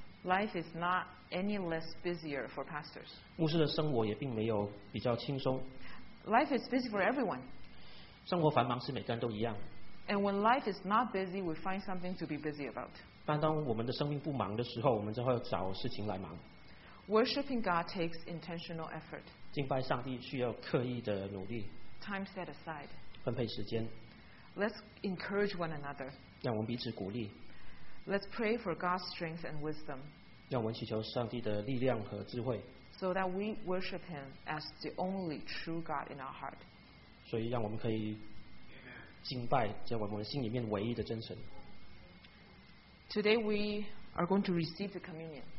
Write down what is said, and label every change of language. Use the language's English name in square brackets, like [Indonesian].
[English] Life is not any less busier for pastors. [Chinese] 牧师的生活也并没有比较轻松。 [English] Life is busy for everyone. [Chinese] 生活繁忙是每个人都一样。 [English] And when life is not busy, we find something to be busy about. [Chinese] 但当我们的生命不忙的时候，我们就会找事情来忙。 [English] Worshipping God takes intentional effort. [Chinese] 敬拜上帝需要刻意的努力。 [English] Time set aside. [Chinese] 分配时间。 [English] Let's encourage one another. [Chinese] 让我们彼此鼓励。 [English] Let's pray for God's strength and wisdom. [Chinese] 让我们祈求上帝的力量和智慧。 [English] So that we worship Him as the only true God in our heart. [Chinese] 所以让我们可以敬拜，在我们心里面唯一的真神。 [English] Today we are going to receive the communion.